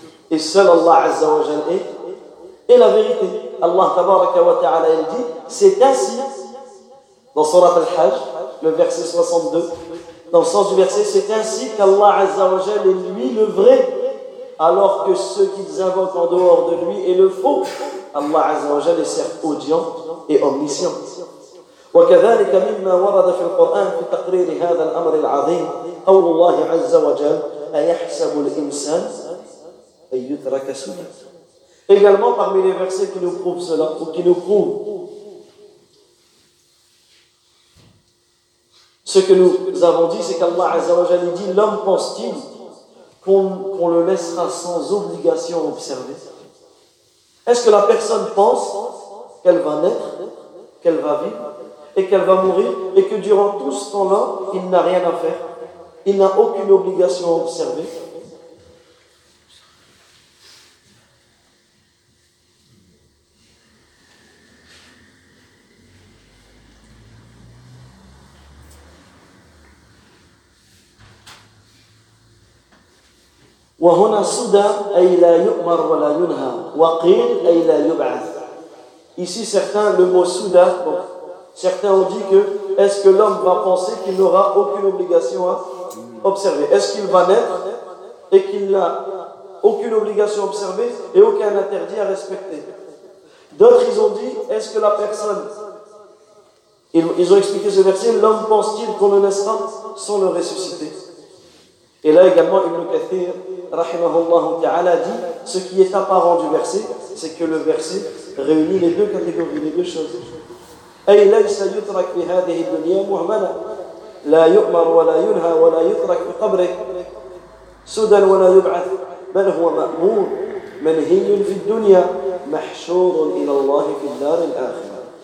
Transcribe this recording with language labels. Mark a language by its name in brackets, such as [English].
[French] Et seul Allah Azza wa Jal est la vérité. Allah Tabaraka wa Ta'ala, il dit, c'est ainsi, dans Surat Al-Hajj, le verset 62, dans le sens du verset, c'est ainsi qu'Allah Azza wa Jal est lui le vrai, alors que ceux qu'ils invoquent en dehors de lui est le faux. Allah Azza wa Jal est certes audient et omniscient. [Arabic] وكذلك مما ورد في القرآن في تقرير هذا الأمر العظيم قول الله عز وجل أيحسب الإنسان أن يترك سدى. [French] Également parmi les versets qui nous prouvent cela ou qui nous prouvent ce que nous avons dit, c'est qu'Allah Azza wa Jal dit l'homme pense-t-il qu'on le laissera sans obligation observer? Est-ce que la personne pense qu'elle va naître, qu'elle va vivre et qu'elle va mourir et que durant tout ce temps-là, il n'a rien à faire? Il n'a aucune obligation à observer? [Arabic] وهنا صدى أي لا يؤمر ولا ينهى وقيل أي لا يبعث. [French] Ici certains le mot souda, bon, certains ont dit que est-ce que l'homme va penser qu'il n'aura aucune obligation à observer? Est-ce qu'il va naître et qu'il n'a aucune obligation à observer et aucun interdit à respecter? D'autres ils ont dit est-ce que la personne, ils ont expliqué ce verset, l'homme pense-t-il qu'on le laissera sans le ressusciter? Et là également Ibn Kathir rahimahullahu ta'ala, dit ce qui est apparent du verset, c'est que le verset réunit les deux catégories, les deux choses. [Arabic] أي ليس يترك في هذه الدنيا مهملا لا يؤمر ولا ينهى ولا يترك في قبره سدى ولا يبعث بل هو مأمور منهي في الدنيا محشور إلى الله في الدار الآخرة.